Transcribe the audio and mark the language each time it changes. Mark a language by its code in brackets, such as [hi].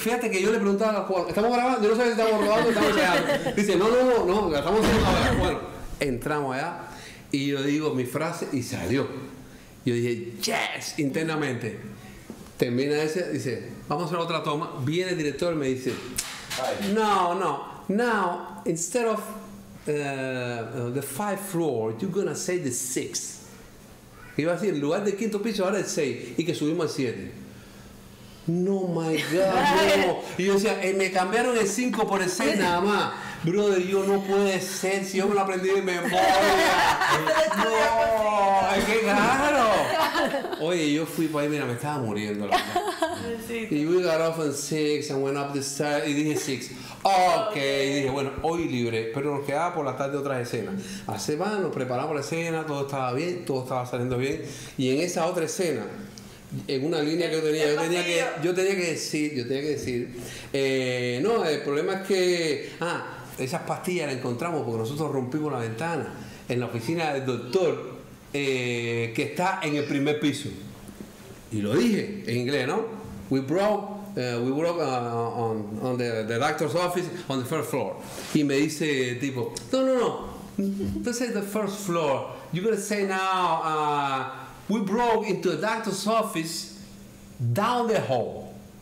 [es] Fíjate que yo le preguntaba a los jugadores, ¿estamos grabando? Yo no sé si estamos grabando, estamos llegando. Dice, no, estamos haciendo ahora. Bueno, entramos allá y yo digo mi frase y salió. Yo dije, yes, internamente. Termina ese, dice, vamos a hacer otra toma. Viene el director y me dice, no. [en] Now, instead of the five floor, you're going to say the six. [es] Iba a decir, en lugar del quinto piso, ahora el seis. Y que subimos al siete. No, [en] my God, [es] no. Y yo decía, me cambiaron el 5 por el 6 nada más. Brother, yo no puede ser, si yo me lo aprendí de memoria. No, ay, qué caro. Oye, yo fui para ahí, mira, me estaba muriendo. [en] La y we got off on 6 and went up the stairs. [es] Y dije 6. Ok, y dije, bueno, hoy libre. Pero nos quedaba por la tarde otras escenas. Hace más, nos preparamos la escena, todo estaba bien, todo estaba saliendo bien. Y en esa otra escena, en una línea que yo tenía, yo tenía que decir, no, el problema es que, esas pastillas las encontramos porque nosotros rompimos la ventana en la oficina del doctor que está en el primer piso. Y lo dije en inglés, ¿no? [en] We broke on the doctor's office on the first floor. [es] Y me dice tipo, no, [en] this is the first floor. You're gonna say now, we broke into the doctor's office down the hall.